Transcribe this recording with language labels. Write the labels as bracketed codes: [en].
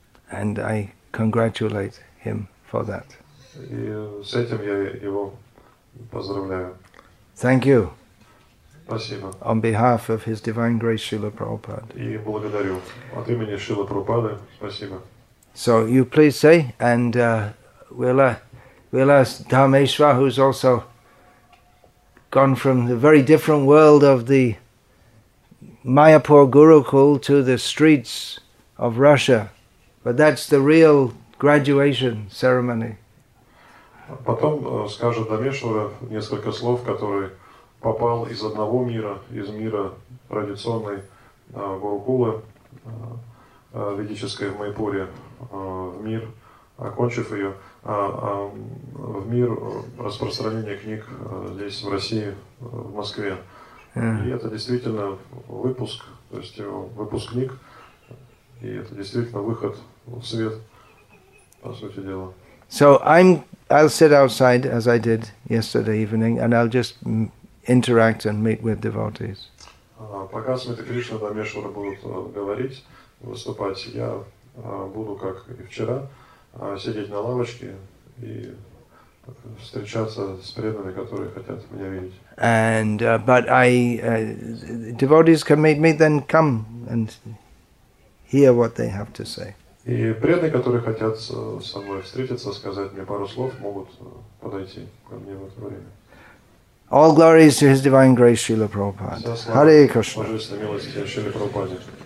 [en] And I congratulate him for that. [ru] И с этим я его поздравляю. [en] Thank you. [ru] Спасибо. [en] On behalf of His Divine Grace Srila Prabhupada. [ru] И благодарю. От имени Шрилы Прабхупады. Спасибо. [en] So you please say, and we'll ask Dharmeshwar, who's also gone from the very different world of the Mayapur Gurukul to the streets of Russia. But that's the real graduation ceremony. [ru] Потом скажет Дамешвара несколько слов, который попал из одного мира, из мира традиционной Гурукулы ведической в Майпуре, в мир, окончив ее, в мир распространения книг здесь, в России, в Москве. Yeah. И это действительно выпуск, то есть выпускник, и это действительно выход в свет, по сути дела. [en] So I'll sit outside, as I did yesterday evening, and I'll just interact and meet with devotees. [ru] Пока Смита Кришна и Дамешвара будут говорить, выступать, я буду, как и вчера, сидеть на лавочке и встречаться с преданными, которые хотят меня видеть. [en] And but I devotees can meet me, then come and hear what they have to say. [ru] И преданные, которые хотят со мной встретиться, сказать мне пару слов, могут подойти ко мне в это время. [en] All glories to His Divine Grace Srila Prabhupada. Hare Krishna. [ru] Божественная милость Шрилы Прабхупаде.